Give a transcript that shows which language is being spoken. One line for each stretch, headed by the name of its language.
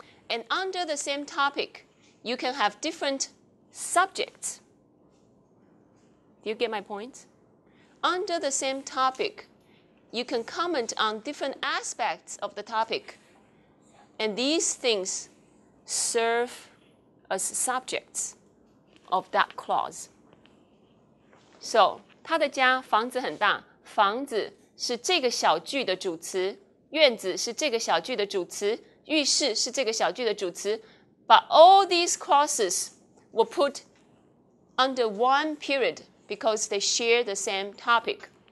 English: And under the same topic, you can have different subjects. Do you get my point? Under the same topic, you can comment on different aspects of the topic. And these things serve as subjects of that clause. So,
Chinese: 他的家房子很大, 房子是这个小句的主词, 院子是这个小句的主词, 浴室是这个小句的主词,
English: But all these clauses were put under one period because they share the same topic.